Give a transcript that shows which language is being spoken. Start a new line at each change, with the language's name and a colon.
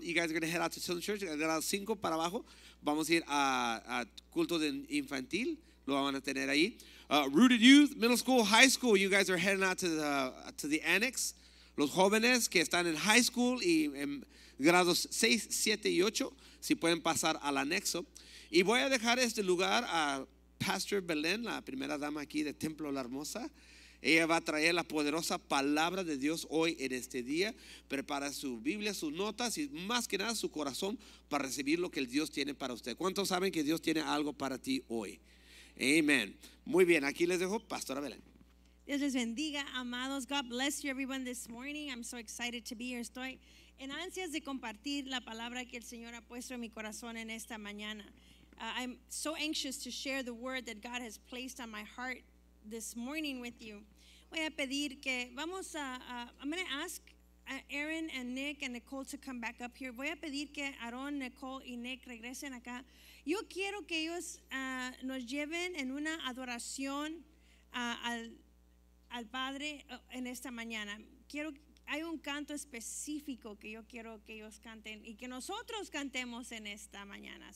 English: You guys are going to head out to Children's Church.
Spanish: Grado 5 para abajo. Vamos a ir a culto de infantil. Lo van a tener ahí.
English: Rooted Youth, Middle School, High School. You guys are heading out to the annex.
Spanish: Los jóvenes que están en high school y en grados 6, 7 y 8, si pueden pasar al anexo. Y voy a dejar este lugar a Pastor Belén, la primera dama aquí de Templo La Hermosa. Ella va a traer la poderosa palabra de Dios hoy en este día. Prepara su Biblia, sus notas y más que nada su corazón para recibir lo que el Dios tiene para usted. ¿Cuántos saben que Dios tiene algo para ti hoy? Amén. Muy bien, aquí les dejo Pastora Belén. Dios les bendiga, amados.
English: God bless you, everyone, this morning. I'm so excited to be here.
Spanish: Estoy en ansias de compartir la palabra que el Señor ha puesto en mi corazón en esta mañana.
English: I'm so anxious to share the word that God has placed on my heart this morning with you.
Spanish: Voy a pedir que vamos a,
English: I'm going to ask Aaron and Nick and Nicole to come back up here.
Spanish: Voy a pedir que Aaron, Nicole y Nick regresen acá. Yo quiero que ellos nos lleven en una adoración al Padre en esta mañana. Quiero, hay un canto específico que yo quiero que ellos canten y que nosotros cantemos en esta mañana.